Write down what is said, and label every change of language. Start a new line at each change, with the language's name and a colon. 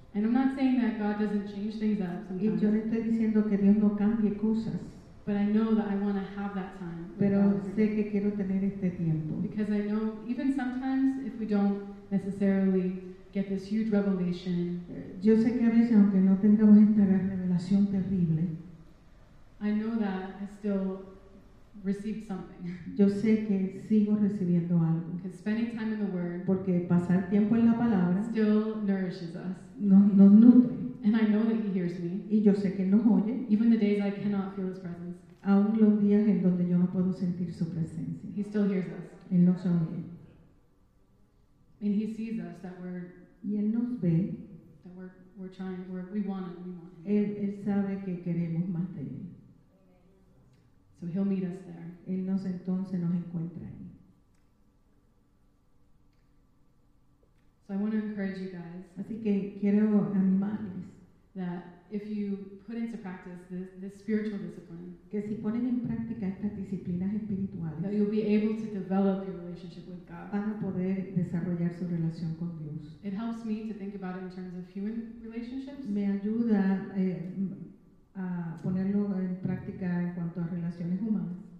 English: And I'm not saying that God doesn't change things up sometimes.
Spanish: Y yo no estoy diciendo que Dios no cambie cosas.
English: But I know that I want to have that time.
Spanish: Pero sé que quiero tener este tiempo.
English: Because I know, even sometimes, if we don't necessarily get this huge revelation,
Spanish: yo sé que a veces, aunque no tengamos esta gran revelación terrible,
English: I know that I still receive something.
Spanish: Yo sé que sigo recibiendo algo.
English: Because spending time in the Word,
Spanish: porque pasar tiempo en la palabra,
English: still nourishes us.
Spanish: Nos nutre.
English: And I know that He hears me.
Spanish: Y yo sé que nos oye.
English: Even the days I cannot feel His presence.
Spanish: Aún los días en donde yo no puedo sentir su presencia.
English: He still hears us.
Spanish: Él nos oye.
English: And He sees us that we're.
Spanish: Y él nos ve.
English: That we're trying. We want it.
Spanish: Él sabe que queremos más de él.
English: So He'll meet us there.
Spanish: Él nos entonces nos encuentra ahí.
English: So I want to encourage you guys.
Spanish: Así que quiero animarles
English: that if you put into practice this spiritual discipline,
Spanish: que si ponen en práctica estas disciplinas espirituales,
English: that you'll be able to develop your relationship with God.
Spanish: Van a poder desarrollar su relación con Dios.
English: It helps me to think about it in terms of human relationships.
Spanish: Me ayuda a ponerlo en práctica en cuanto a relaciones humanas.